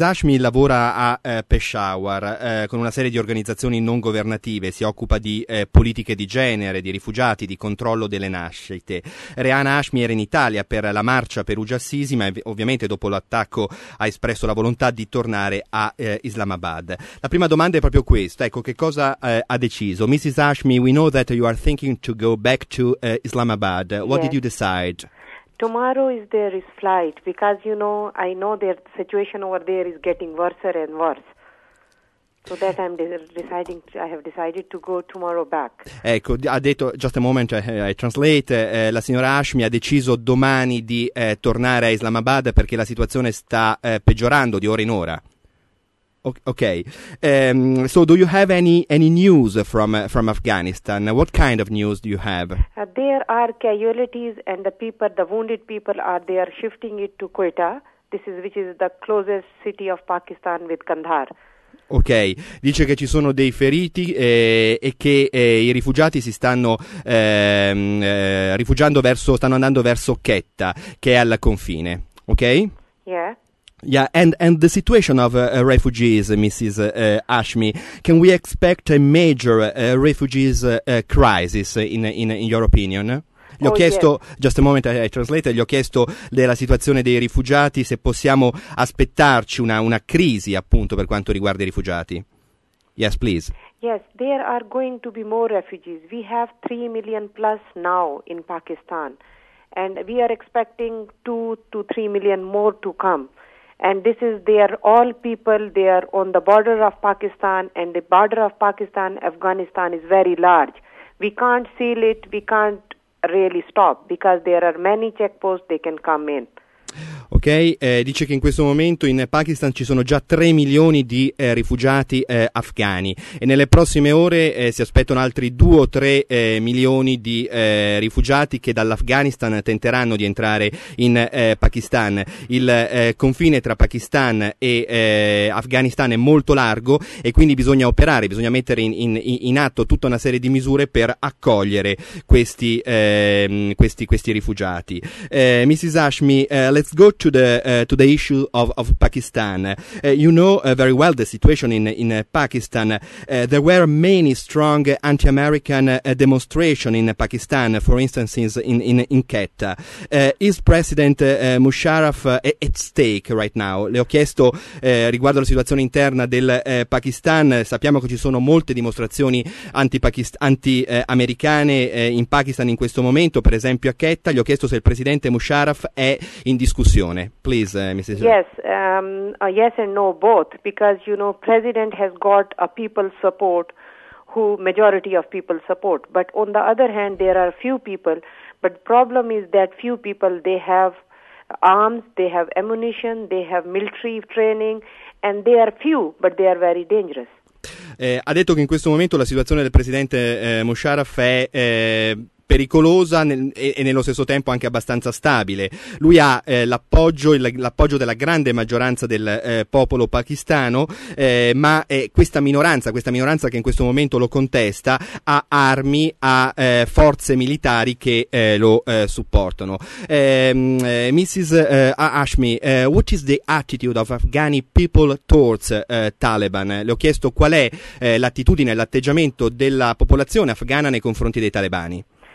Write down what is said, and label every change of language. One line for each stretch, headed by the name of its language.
Italian: Hashmi lavora a Peshawar, con una serie di organizzazioni non governative, si occupa di politiche di genere, di rifugiati, di controllo delle nascite. Rehana Hashmi era in Italia per la marcia Perugia Assisi, ma ovviamente dopo l'attacco ha espresso la volontà di tornare a Islamabad. La prima domanda è proprio questa, ecco, che cosa ha deciso?
English: Mrs. Hashmi, we know that you are thinking to go back to Islamabad. What did you decide? Tomorrow is there is flight because I know their situation over there is getting worse and worse. So that I have decided to go tomorrow back.
Italian: Ecco, ha detto,
English: just a moment, I translate,
Italian: la signora Hashmi ha deciso domani di tornare a Islamabad perché la situazione sta peggiorando di ora in ora.
English: So do you have any news from Afghanistan? What kind of news do you have? There are casualties, and the wounded people are there shifting it to Quetta. This is which is the closest city of Pakistan with Kandahar.
Italian: Ok, dice che ci sono dei feriti e che i rifugiati si stanno rifugiando verso, stanno andando verso Quetta, che è al confine. Ok? Yeah.
English: Yeah, and the situation of refugees, Mrs. Hashmi, can we expect a major refugees crisis in your opinion?
Italian: Gli ho
English: Oh, yes.
Italian: chiesto,
English: just a moment, I translate,
Italian: gli ho chiesto della situazione dei rifugiati, se possiamo aspettarci una crisi appunto per quanto riguarda i rifugiati.
English: Yes, please. Yes, there are going to be more refugees. We have 3 million plus now in Pakistan, and we are expecting 2 to 3 million more to come. And this is they are all people, they are on the border of Pakistan, and the border of Pakistan, Afghanistan is very large. We can't seal it, we can't really stop because there are many checkposts they can come in.
Italian: Ok, dice che in questo momento in Pakistan ci sono già 3 milioni di rifugiati afghani e nelle prossime ore si aspettano altri 2 o 3 milioni di rifugiati che dall'Afghanistan tenteranno di entrare in Pakistan. Il confine tra Pakistan e Afghanistan è molto largo e quindi bisogna operare, bisogna mettere in atto tutta una serie di misure per accogliere questi rifugiati.
English: Mrs. Hashmi, let's go to the issue of Pakistan. You know very well the situation in Pakistan. There were many strong anti-American demonstrations in Pakistan, for instance in Quetta. Is President Musharraf at stake right now?
Italian: Le ho chiesto riguardo alla situazione interna del Pakistan. Sappiamo che ci sono molte dimostrazioni anti-americane in Pakistan in questo momento, per esempio a Quetta. Gli ho chiesto se il Presidente Musharraf è in discussione.
English: Please, Mrs. Yes, yes and no, both, because president has got a people's support, who majority of people support. But on the other hand, there are few people. But problem is that few people they have arms, they have ammunition, they have military training, and they are few, but they are very dangerous.
Italian: Ha detto che in questo momento la situazione del presidente Musharraf è pericolosa e nello stesso tempo anche abbastanza stabile. Lui ha l'appoggio della grande maggioranza del popolo pakistano, ma questa minoranza che in questo momento lo contesta, ha armi, ha forze militari che lo supportano.
English: Mrs. Hashmi, what is the attitude of Afghani people towards Taliban?
Italian: Le ho chiesto qual è l'attitudine e l'atteggiamento della popolazione afghana nei confronti dei talebani.